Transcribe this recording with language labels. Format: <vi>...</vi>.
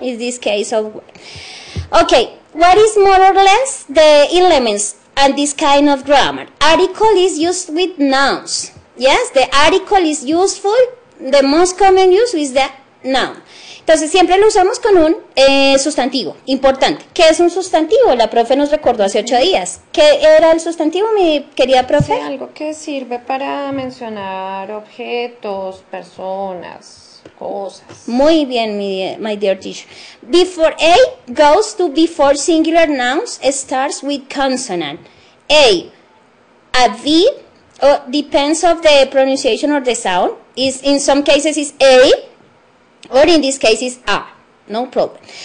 <en>In this case of, okay, what is more or less the elements and this kind of grammar? Article is used with nouns, yes, the article is useful, the most common use is the noun.</en> <es>Entonces, siempre lo usamos con un sustantivo importante. ¿Qué es un sustantivo? La profe nos recordó hace 8 días. ¿Qué era el sustantivo, mi querida profe? Sí, algo que sirve para mencionar objetos, personas, cosas. Muy bien,</es> <en>my dear teacher. Before A goes to before singular nouns, starts with consonant. A V, depends of the pronunciation or the sound, is in some cases is A, or in this case is a, no problem.</en>